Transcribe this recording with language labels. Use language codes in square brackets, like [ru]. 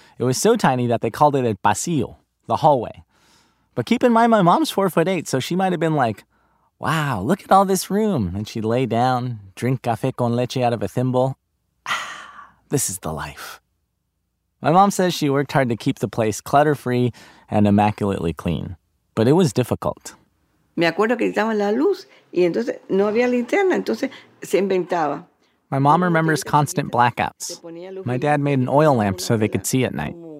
[en] It was so tiny that they called it a pasillo, the hallway. But keep in mind my mom's 4'8", so she might have been like, wow, look at all this room. And she'd lay down, drink café con leche out of a thimble. Ah, this is the life. My mom says she worked hard to keep the place clutter-free and immaculately clean. But it was difficult. [es] Me acuerdo que estaba la luz, y entonces no había linterna, entonces se inventaba. [en] My mom remembers constant blackouts. My dad made an oil lamp so they could see at night.